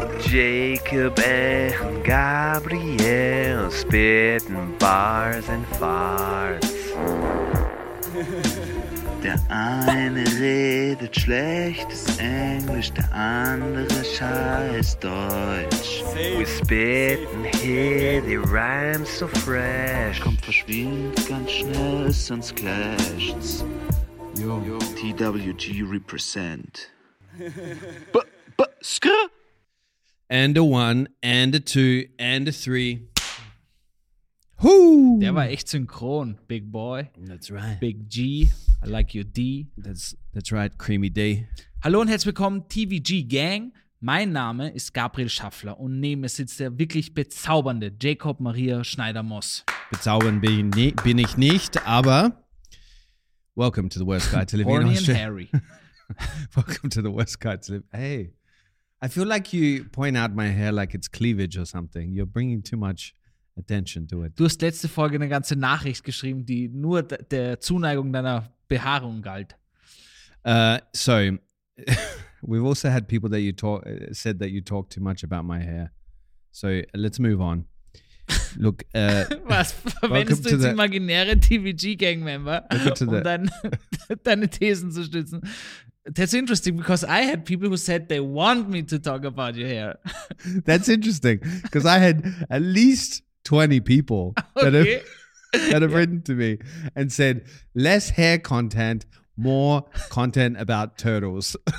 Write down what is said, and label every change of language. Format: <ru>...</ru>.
<de>Jacob und Gabriel spitten</de> <en>Bars and Farts.</en> <de>Der eine redet schlechtes Englisch, der andere scheiß Deutsch.</de> <en>We spit and hear the rhymes so fresh.</en> <de>Kommt, verschwind ganz schnell, sonst clasht's. Yo.</de> <en>TWG represent. B-b-skr! And a one, and a two, and a three.</en> <de>Woo. Der war echt synchron,</de> <en>big boy. That's right. Big G, I like your D. That's right, creamy D.</en> <de>Hallo und herzlich willkommen, TVG Gang. Mein Name ist Gabriel Schaffler und neben mir sitzt der wirklich bezaubernde Jacob Maria Schneider-Moss. Bezaubernd bin ich nicht, aber</de> <en>welcome to the worst guy to live in Austria. Horny and hairy. Welcome to the worst guy to live. Hey, I feel like you point out my hair like it's cleavage or something. You're bringing too much attention to it.</en> <de>Du hast letzte Folge eine ganze Nachricht geschrieben, die nur der Zuneigung deiner Behaarung galt.</de> <en>We've also had people that you talk too much about my hair. So let's move on. Look,</en> <de>was verwendest du jetzt imaginäre TVG-Gang-Member, um deine Thesen zu stützen?</de> <en>That's interesting, because I had people who said they want me to talk about your hair. That's interesting, because I had at least 20 people that have written to me and said, less hair content, more content about turtles.</en>